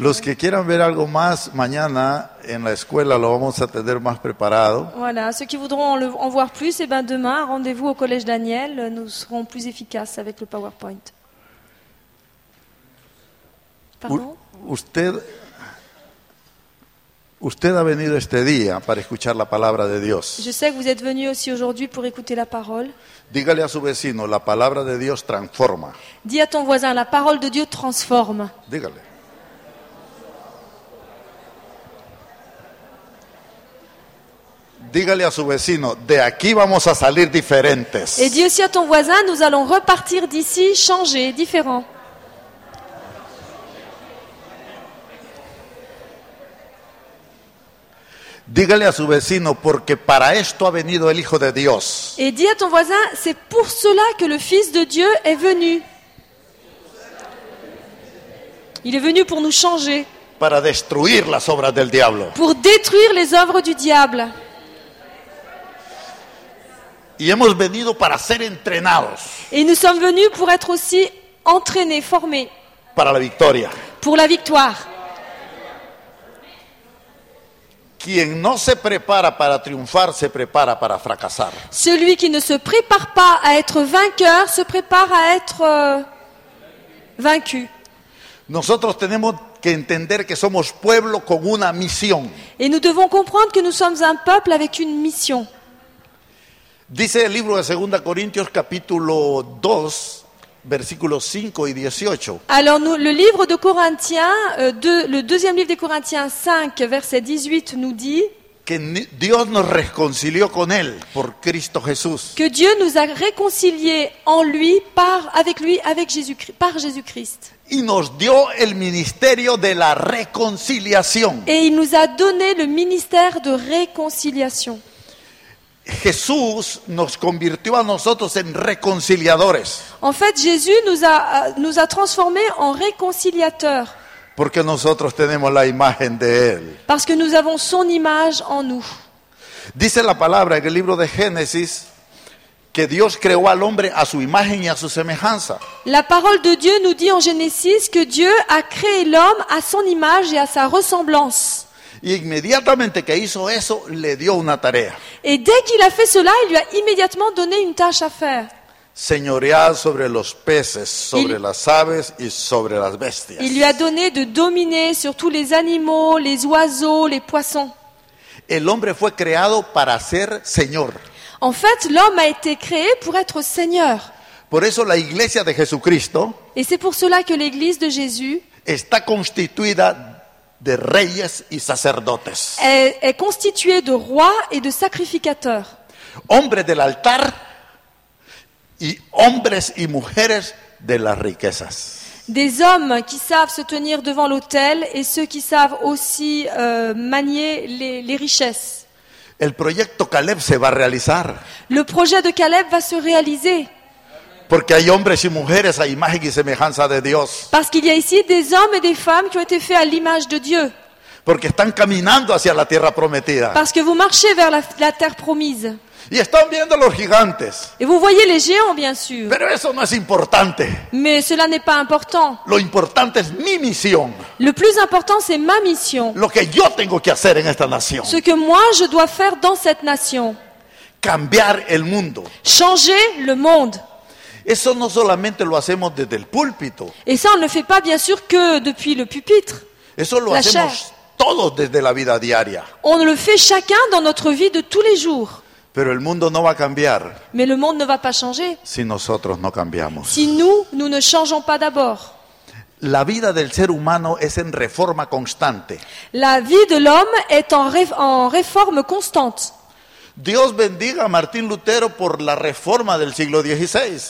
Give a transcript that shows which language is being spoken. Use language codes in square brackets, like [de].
[es] los que quieran ver algo más mañana en la escuela lo vamos a tener más preparado. [fr] Voilà, ceux qui voudront en voir plus, eh ben demain, rendez-vous au collège Daniel, nous serons plus efficaces avec le PowerPoint. [es] Usted ha venido este día para escuchar la palabra de Dios. [fr] Je sais que vous êtes venu aussi aujourd'hui pour écouter la parole. [es] Dígale a su vecino, la palabra de Dios transforma. [fr] Dis à ton voisin, la parole de Dieu transforme. [es] Dígale. Dígale a su vecino, de aquí vamos a salir diferentes. [fr] Et dis aussi à ton voisin, nous allons repartir d'ici changés, différents. [es] Dígale a su vecino porque para esto ha venido el Hijo de Dios. [fr] Et dis à ton voisin, c'est pour cela que le Fils de Dieu est venu. Il est venu pour nous changer. [es] Para destruir las obras del diablo. [fr] Pour détruire les œuvres du diable. [es] Y hemos venido para ser entrenados. [fr] Et nous sommes venus pour être aussi entraînés, formés. [es] Para la victoria. [fr] Pour la victoire. [es] Quien no se prepara para triunfar se prepara para fracasar. [fr] Celui qui ne se prépare pas à être vainqueur se prépare à être vaincu. [es] Nosotros tenemos que entender que somos pueblo con una misión. [fr] Et nous devons comprendre que nous sommes un peuple avec une mission. [es] Dice el libro de 2 Corintios capítulo 2 versículos 5 y 18. [fr] Alors nous, le livre de Corinthiens, le deuxième livre des Corinthiens 5, verset 18 nous dit [es] que Dios nos reconcilió con él por Cristo Jesús. [fr] Que Dieu nous a réconciliés en lui, avec Jésus-Christ, par Jésus-Christ. [es] Y nos dio el ministerio de la reconciliación. [fr] Et il nous a donné le ministère de réconciliation. [es] Jesús nos convirtió a nosotros en reconciliadores. [fr] En fait, Jésus nous a transformés en réconciliateurs. [es] Porque nosotros tenemos la imagen de él. [fr] Parce que nous avons son image en nous. [es] Dice la palabra en el libro de Génesis que Dios creó al hombre a su imagen y a su semejanza. [fr] La parole de Dieu nous dit en Genèse que Dieu a créé l'homme à son image et à sa ressemblance. [es] Y inmediatamente que hizo eso, le dio una tarea. [fr] Et dès qu'il a fait cela, il lui a immédiatement donné une tâche à faire. [es] Señorear sobre los peces, sobre las aves y sobre las bestias. [fr] Il lui a donné de dominer sur tous les animaux, les oiseaux, les poissons. [es] El hombre fue creado para ser señor. [fr] En fait, l'homme a été créé pour être seigneur. [es] Por eso la iglesia de Jesucristo. [fr] Et c'est pour cela que l'église de Jésus [es] está constituida de reyes y sacerdotes. [fr] Est constitué de rois et de sacrificateurs. [es] Hombres del altar y hombres y mujeres de las riquezas. [fr] Des hommes qui savent se tenir devant l'autel et ceux qui savent aussi manier les richesses. [es] El proyecto Caleb se va a realizar. [fr] Le projet de Caleb va se réaliser. [es] Porque hay hombres y mujeres a imagen y semejanza de Dios. [fr] Parce qu'il y a ici des hommes et des femmes qui ont été faits à l'image de Dieu. [es] Porque están caminando hacia la tierra prometida. [fr] Parce que vous marchez vers la terre promise. [es] Y están viendo los gigantes. [fr] Et vous voyez les géants, bien sûr. [es] Pero eso no es importante. [fr] Mais cela n'est pas important. [es] Lo importante es mi misión. [fr] Le plus important, c'est ma mission. [es] Lo que yo tengo que hacer en esta nación. [fr] Ce que moi, je dois faire dans cette nation. [es] Cambiar el mundo. [fr] Changer le monde. [es] Eso no solamente lo hacemos desde el púlpito. [fr] Et ça, on ne le fait pas, bien sûr, que depuis le pupitre. [es] Eso lo hacemos chair. Todos desde la vida diaria. [fr] On le fait chacun dans notre vie de tous les jours. [es] Pero el mundo no va a cambiar. [fr] Mais le monde ne va pas changer. [es] Si nosotros no cambiamos. [fr] Si nous ne changeons pas d'abord. [es] La vida del ser humano es en reforma constante. [fr] La vie de l'homme est en réforme constante. [es] Dios bendiga a Martín Lutero por la reforma del siglo XVI.